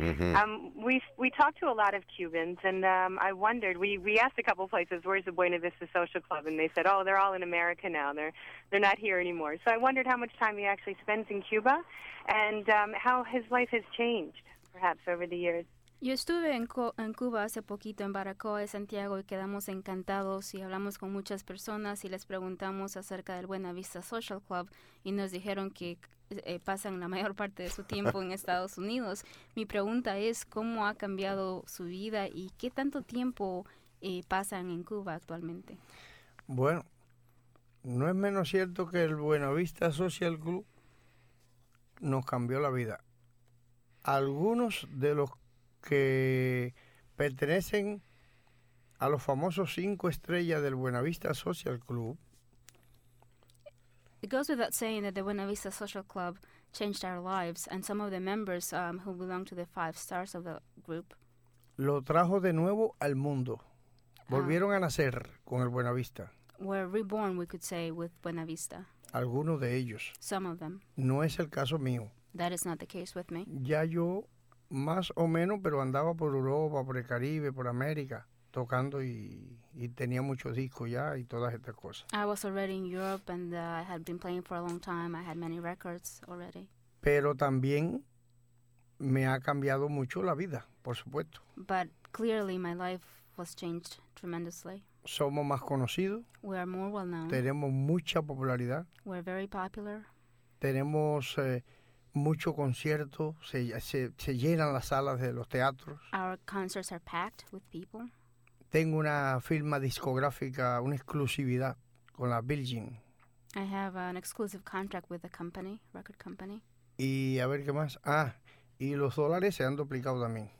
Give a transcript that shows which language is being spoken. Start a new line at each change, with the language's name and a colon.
English: Mm-hmm. We talked to a lot of Cubans, and I wondered, we asked a couple of places, where's the Buena Vista Social Club? And they said, oh, they're all in America now. They're not here anymore. So I wondered how much time he actually spends in Cuba and how his life has changed, perhaps, over the years.
Spanish: Yo estuve en Cuba hace poquito, en Baracoa y Santiago, y quedamos encantados y hablamos con muchas personas y les preguntamos acerca del Buena Vista Social Club y nos dijeron que pasan la mayor parte de su tiempo en Estados Unidos. Mi pregunta es, ¿cómo ha cambiado su vida y qué tanto tiempo pasan en Cuba actualmente? Bueno, no es menos cierto que el Buena Vista Social Club nos cambió la vida. Algunos de los que pertenecen a los famosos cinco estrellas del Buena Vista Social Club.
English: It goes without saying that the Buena Vista Social Club changed our lives, and some of the members who belong to the five stars of the group.
Spanish: Lo trajo de nuevo al mundo. Volvieron a nacer con el Buena Vista.
English: Were reborn, we could say, with Buena Vista.
Spanish: Algunos de ellos.
English: Some of them.
Spanish: No es el caso mío.
English: That is not the case with me.
Spanish: Ya yo más o menos, pero andaba por Europa, por el Caribe, por América, tocando y tenía muchos discos ya y todas estas cosas.
English: I was already in Europe and I had been playing for a long time. I had many records already.
Spanish: Pero también me ha cambiado mucho la vida, por supuesto.
English: But clearly my life was changed tremendously.
Spanish: Somos más conocidos.
English: We are more well known.
Spanish: Tenemos mucha popularidad.
English: We're very popular.
Spanish: Tenemos muchos conciertos, se llenan las salas de los teatros.
English: Our concerts are packed with people.
Spanish: Tengo una firma discográfica, una exclusividad con la Virgin.
English: I have an exclusive contract with the company, record company.
Spanish: Y a ver qué más. Ah, y los dólares se han duplicado también.